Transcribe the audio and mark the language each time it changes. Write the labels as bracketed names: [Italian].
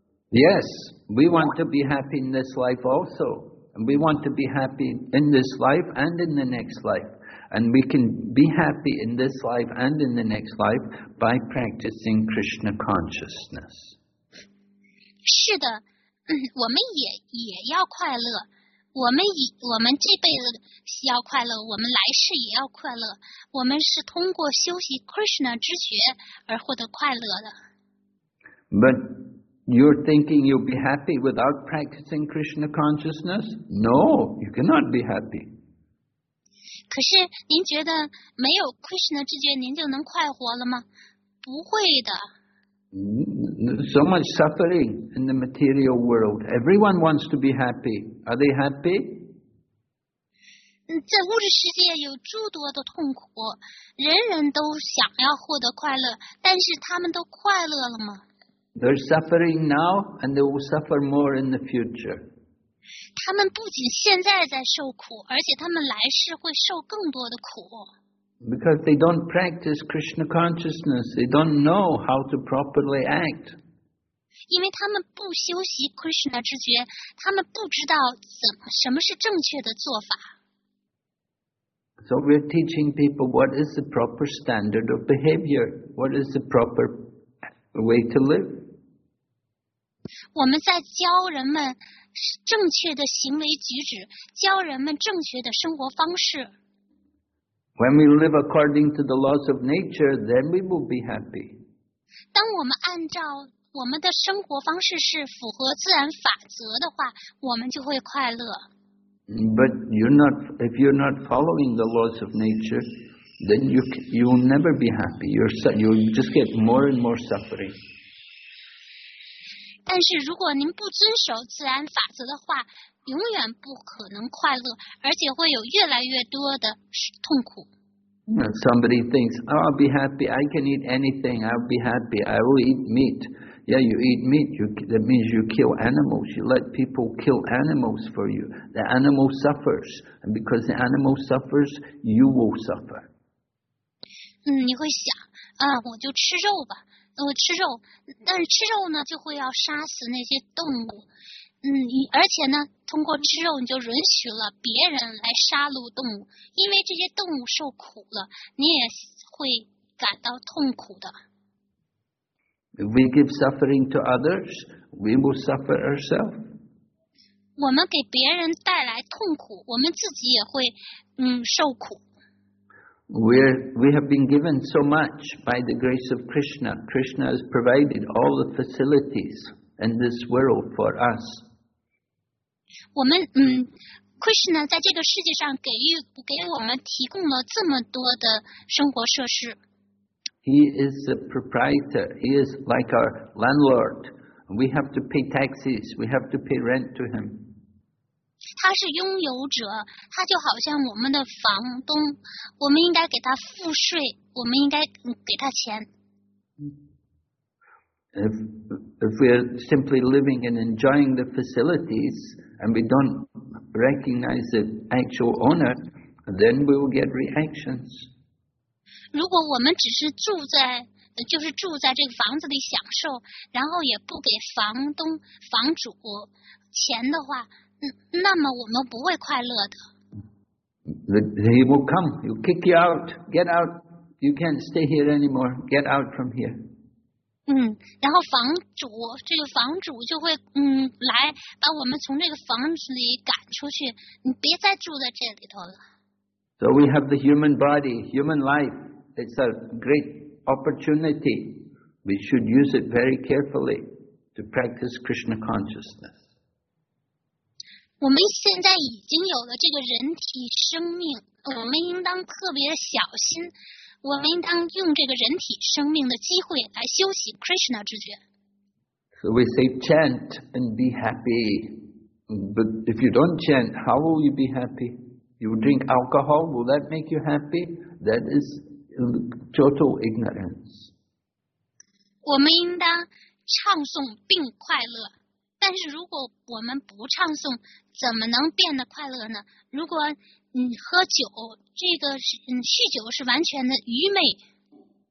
[English] Yes, we want to be happy in this life also. We want to be happy in this life and in the next life. And we can be happy in this life and in the next life by practicing Krishna consciousness. [Chinese] 是的，我们也要快乐。我们这辈子需要快乐，我们来世也要快乐。我们是通过修习 Krishna 知觉而获得快乐的。 [English] But you're thinking you'll be happy without practicing Krishna consciousness? No, you cannot be happy. [Chinese] 可是您觉得没有 Krishna 知觉您就能快活了吗？不会的。 [English] So much suffering in the material world. Everyone wants to be happy. Are they happy? [Chinese] 在物质世界有诸多的痛苦，人人都想要获得快乐，但是他们都快乐了吗？ [English] They're suffering now, and they will suffer more in the future. [Chinese] 他们不仅现在在受苦，而且他们来世会受更多的苦。 [English] Because they don't practice Krishna consciousness, they don't know how to properly act. [Chinese] 因为他们不修习 Krishna 知觉，他们不知道什么是正确的做法。 [English] So we're teaching people what is the proper standard of behavior, what is the proper way to live. [Chinese] 我们在教人们正确的行为举止，教人们正确的生活方式。 [English] When we live according to the laws of nature, then we will be happy. [Chinese] 当我们按照我们的生活方式是符合自然法则的话，我们就会快乐。 [English] But if you're not following the laws of nature, then you'll never be happy. You'll just get more and more suffering. [Chinese] 但是如果您不遵守自然法则的话，永远不可能快乐，而且会有越来越多的痛苦。 [English] know, somebody thinks, oh, I'll be happy, I can eat anything, I'll be happy, I will eat meat. Yeah, you eat meat, that means you kill animals. You let people kill animals for you. The animal suffers. And because the animal suffers, you will suffer. [Chinese] 嗯，你会想啊，我就吃肉吧，我吃肉，但是吃肉呢，就会要杀死那些动物。嗯，而且呢，通过吃肉，你就允许了别人来杀戮动物，因为这些动物受苦了，你也会感到痛苦的。 [English] If we give suffering to others, we will suffer ourselves. [Chinese] 我们给别人带来痛苦，我们自己也会受苦。 [English] We have been given so much by the grace of Krishna. Krishna has provided all the facilities in this world for us. [Chinese] 我们Krishna 在这个世界上给我们提供了这么多的生活设施。 [English] He is the proprietor. He is like our landlord. We have to pay taxes. We have to pay rent to him. [Chinese] 他是拥有者，他就好像我们的房东。我们应该给他付税，我们应该给他钱。 [English] If we are simply living and enjoying the facilities and we don't recognize the actual owner, then we will get reactions. [Chinese] 如果我们只是住在，就是住在这个房子里享受，然后也不给房东、房主钱的话，那么我们不会快乐的。 [English] He will come, he'll kick you out, get out, you can't stay here anymore, get out from here. [Chinese] 然后房主就会来把我们从这个房子里赶出去，你别再住在这里头了。 [English] So we have the human body, human life. It's a great opportunity. We should use it very carefully to practice Krishna consciousness. [Chinese] 我们现在已经有了这个人体生命，我们应当特别小心。我们应当用这个人体生命的机会来修习 Krishna 知觉。 [English] So we say chant and be happy. But if you don't chant, how will you be happy? You drink alcohol, will that make you happy? That is... Total ignorance. [Chinese] 我们应当唱诵并快乐，但是如果我们不唱诵，怎么能变得快乐呢？如果喝酒，这个酗酒是完全的愚昧。